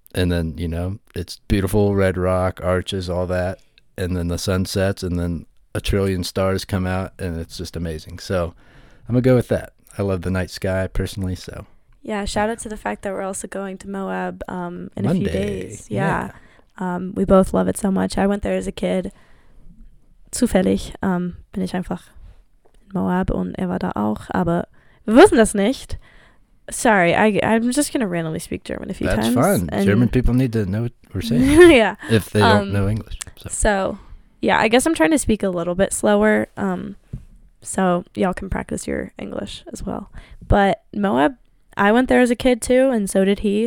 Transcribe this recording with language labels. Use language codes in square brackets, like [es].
[en] And then, you know, it's beautiful red rock, arches, all that. And then the sun sets and then a trillion stars come out and it's just amazing. So I'm going to go with that. I love the night sky personally, so. Yeah, shout out to the fact that we're also going to Moab in Monday. A few days. Yeah. We both love it so much. I went there as a kid. [de] Zufällig bin ich einfach in Moab und er war da auch. Aber wir wissen das nicht. [en] Sorry, I'm just going to randomly speak German a few times. That's fine. German people need to know what we're saying. Yeah. If they don't know English. So, yeah, I guess I'm trying to speak a little bit slower. So y'all can practice your English as well. But Moab, I went there as a kid too, and so did he.